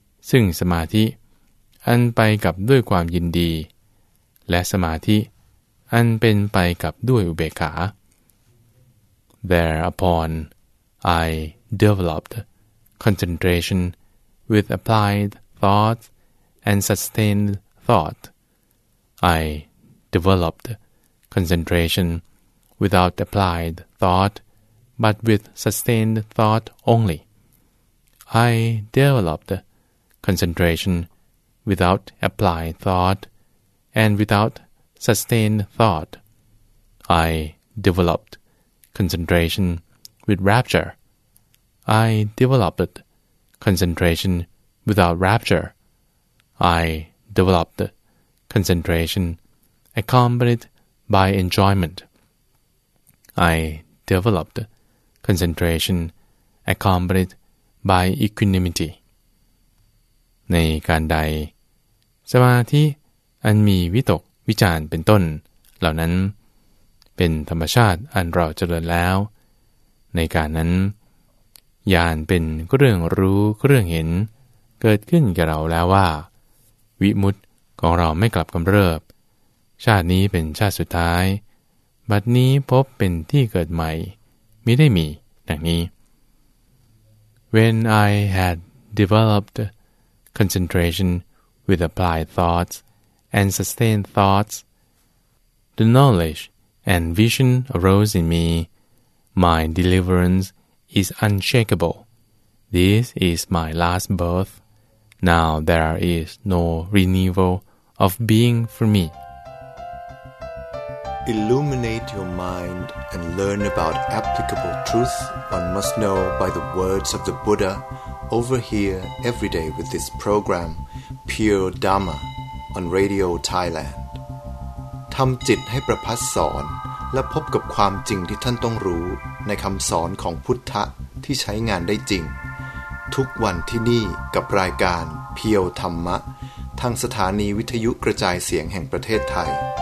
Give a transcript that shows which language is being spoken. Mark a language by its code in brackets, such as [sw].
[th] ซึ่งสมาธิอันไปกับด้วยความยินดีและสมาธิอันเป็นไปกับด้วยอุเบกขา [en] Thereupon I developed concentration with applied thought and sustained thought. I developed concentration without applied thought but with sustained thought only. I developed concentration without applied thought and without sustained thought. I developed concentration with rapture. I developed concentration without rapture. I developed concentration accompanied by enjoyment. I developed concentration accompanied by equanimity. [th] ในการใดสมาธิอันมีวิตกวิจารณ์เป็นต้นเหล่านั้นเป็นธรรมชาติอันเราเจริญแล้วในการนั้นญาณเป็นเรื่องรู้เรื่องเห็นเกิดขึ้นแก่เราแล้วว่าวิมุตติของเราไม่กลับกำเริบชาตินี้เป็นชาติสุดท้ายบัดนี้พบเป็นที่เกิดใหม่มิได้มีดังนี้ [en] When I had developed concentration with applied thoughts and sustained thoughts, the knowledge and vision arose in me. My deliverance is unshakable. This is my last birth. Now there is no renewal of being for me. Illuminate your mind and learn about applicable truth one must know by the words of the Buddha over here every day with this program, Pure Dharma, on Radio Thailand. [th] ทำจิตให้ประพัสสอนและพบกับความจริงที่ท่านต้องรู้ในคำสอนของพุทธะที่ใช้งานได้จริงทุกวันที่นี่กับรายการเพียวธรรมะทางสถานีวิทยุกระจายเสียงแห่งประเทศไทย